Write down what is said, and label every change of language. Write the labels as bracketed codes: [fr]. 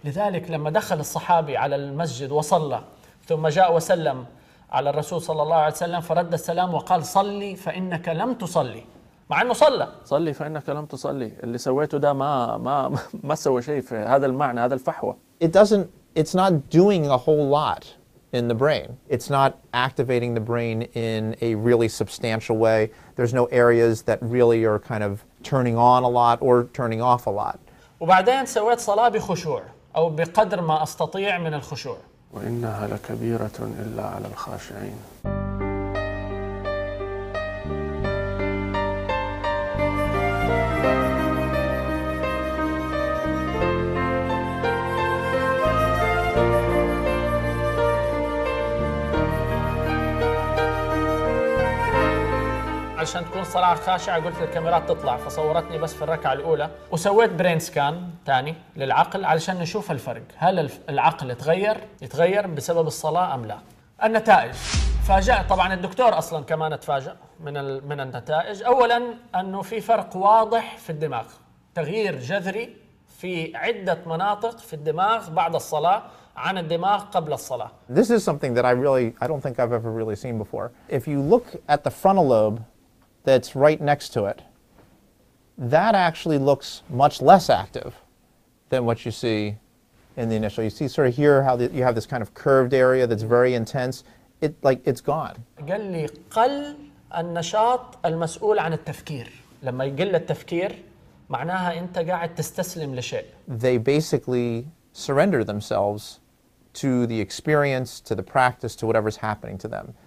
[ar] لذلك لما دخل الصحابي على المسجد وصلى ثم جاء وسلم على الرسول صلى الله عليه وسلم فرد السلام وقال صلي فإنك لم تصلي، مع أنه صلى، صلي فإنك لم تصلي، اللي سويته ده ما ما ما سوى شيء في هذا المعنى، هذا الفحوى. [en] It's not doing a whole lot in the brain. It's not activating the brain in a really substantial way. There's no areas that really are kind of turning on a lot or turning off a lot. [ar] وبعدين سويت صلاة بخشوع أو بقدر ما أستطيع من الخشوع. وإنها لكبيرة إلا على الخاشعين. عشان تكون صلاة خاشعة قلت الكاميرات تطلع فصورتني بس في الركعة الأولى، وسويت برين سكان تاني للعقل علشان نشوف الفرق، هل العقل يتغير بسبب الصلاة أم لا. النتائج فاجأ طبعا الدكتور أصلا كمان اتفاجأ من النتائج. أولا أنه في فرق واضح في الدماغ، تغيير جذري في عدة مناطق في الدماغ بعد الصلاة عن الدماغ قبل الصلاة. [en] This is something that I don't think I've ever really seen before. If you look at the frontal lobe that's right next to it, that actually looks much less active than what you see in the initial. You see sort of here how you have this kind of curved area that's very intense. It's gone. [ar] قال لي قل النشاط المسؤول عن التفكير. لما يقل التفكير معناها انت قاعد تستسلم لشيء. [en] They basically surrender themselves to the experience, to the practice, to whatever's happening to them.